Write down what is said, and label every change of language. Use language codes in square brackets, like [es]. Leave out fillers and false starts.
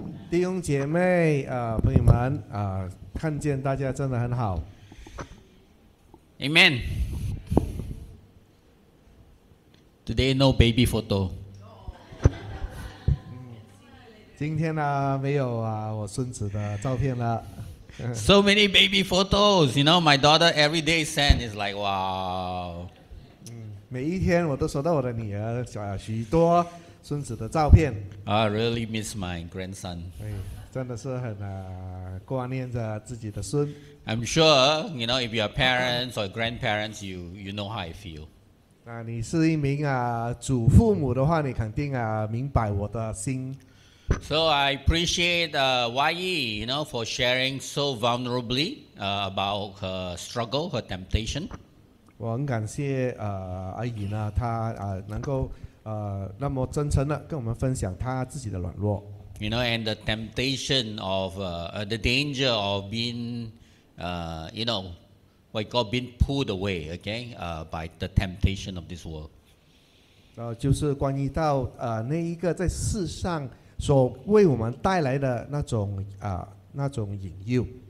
[zh] 弟兄姐妹，朋友们，看见大家真的很好。 [en] Amen. Today no baby photo. [zh] 今天呢，没有我孙子的照片了。 [en] So many baby photos. You know, my daughter every day send is like, wow. [zh] 每一天我都收到我的女儿许多孙子的照片。 [en] I really miss my grandson. [zh] 真的是很挂念着自己的孙。 [en] I'm sure, you know, if you're parents or grandparents, you know how I feel. [zh] 那你是一名祖父母的话，你肯定明白我的心。 [en] So I appreciate Yi, you know, for sharing so vulnerably about her struggle, her temptation. [zh] 我很感谢阿姨呢，她能够那么真诚的跟我们分享她自己的软弱。 [en] You know, and the temptation of the danger of being you know, what God being pulled away, okay, by the temptation of this world. [zh] 就是关于到那一个在世上所为我们带来的那种那种引诱。